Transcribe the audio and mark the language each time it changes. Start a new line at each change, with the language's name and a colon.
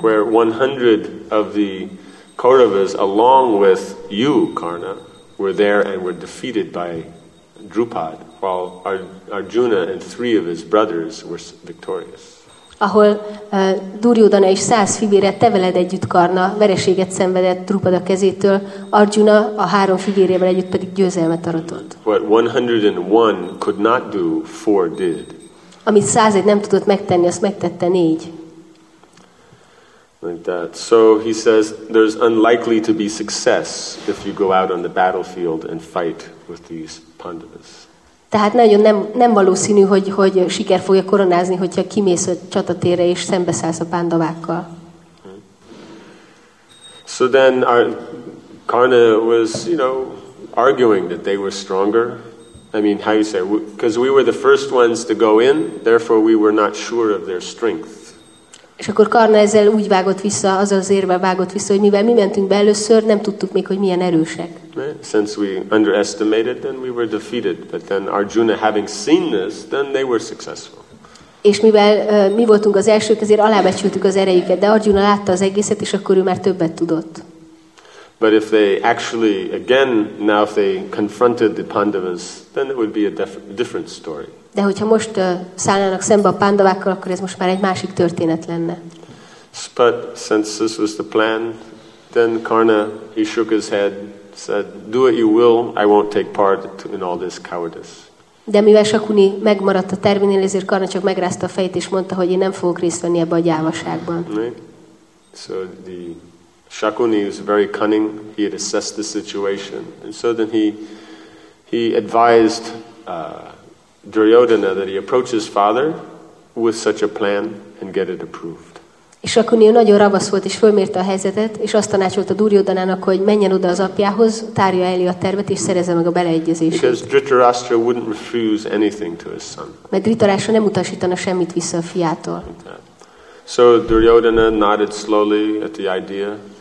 English: Where 100 of the Kauravas, along with you, Karna, were there and were defeated by Drupad, while Arjuna and 3 of his brothers were victorious.
Hungarian: Ahol Duryodhana és 100 fivére te veled együtt, Karna, vereséget szenvedett Drupada kezétől, Arjuna a 3 fivérével együtt pedig győzelmet aratott.
English: What 101 could not do, 4 did.
Hungarian: Amit 101 nem tudott megtenni, azt megtette 4.
English: Like that. So he says, there's unlikely to be success if you go out on the battlefield and fight with these Pandavas.
Hungarian: Tehát nagyon nem valószínű, hogy siker fogja koronázni, hogyha kimész a csatatérre és szembeszállsz a Pandavákkal.
English: So then Karna was, you know, arguing that they were stronger. I mean, how you say, because we were the first ones to go in, therefore we were not sure of their strength.
Hungarian: És akkor Karna ezzel úgy vágott vissza, azzal az érvel vágott vissza, hogy mivel mi mentünk be először, nem tudtuk még, hogy milyen erősek.
English: Since we underestimated, then we were defeated. But then Arjuna, having seen this, then they were successful.
Hungarian: És mivel mi voltunk az elsők, ezért alábecsültük az erejüket, de Arjuna látta az egészet, és akkor ő már többet tudott.
English: But if they actually, again, now if they confronted the Pandavas, then it would be a different story.
Hungarian: De hogyha most szállnának szembe a Pandavákkal, akkor ez most már egy másik történet lenne.
English: But since this was the plan, then Karna, he shook his head, said, do what you will, I won't take part in all this cowardice.
Hungarian: De mivel Shakuni megmaradt a terminél, ezért Karna csak megrázta a fejét, és mondta, hogy én nem fogok részt venni ebbe a gyávaságban.
English: Right. So the Shakuni was very cunning, he had assessed the situation, and so then he advised Duryodhana that he approached his father with such a plan and get it approved.
Hungarian: És Shakuni nagyon ravasz volt és fölmérte a helyzetet, és azt tanácsolta Duryodhanának, hogy menjen oda az apjához, tárja elé a tervet és szerezze meg a beleegyezését.
English: Because Dhritarashtra wouldn't refuse anything to his son.
Hungarian: Mert Dhritarashtra nem utasítana semmit vissza a fiától.
English: So Duryodhana nodded slowly at the idea.